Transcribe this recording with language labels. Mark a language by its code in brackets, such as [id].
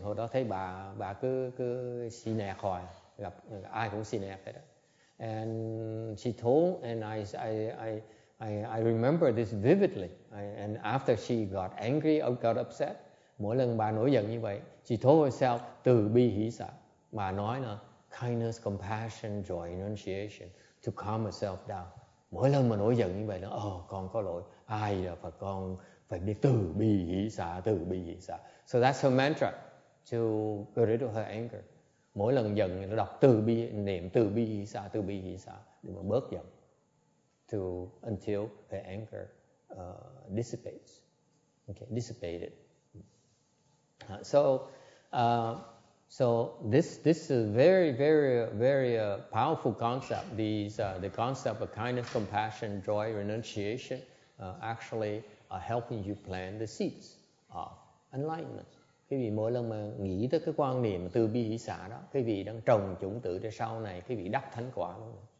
[vi] Hồi đó thấy bà cứ xì nẹt hoài, gặp ai cũng xì nẹt hết. [en] And she told, and I remember this vividly. And after she got angry or got upset, [vi] mỗi lần bà nổi giận như vậy, [en] she told herself, từ bi hỷ xả. [vi] Bà nói là [en] kindness, compassion, joy, renunciation, to calm herself down. [vi] Mỗi lần mà nổi giận như vậy là con có lỗi, ai là Phật, con phải biết từ bi hỷ xả, từ bi hỷ xả. [en] So that's her mantra to get rid of her anger. [vi] Mỗi lần giận nó đọc từ bi, niệm từ bi hỷ xả, từ bi hỷ xả để mà bớt giận, [en] to until her anger dissipates. Okay, dissipated. So this is very, very, very powerful concept. The concept of kindness, compassion, joy, renunciation actually are helping you plant the seeds of enlightenment. [vi] Quý vị mỗi lần mà nghĩ tới cái quan niệm từ bi hỷ xả đó, quý vị đang trồng chủng tử để sau này quý vị đắc thánh quả luôn.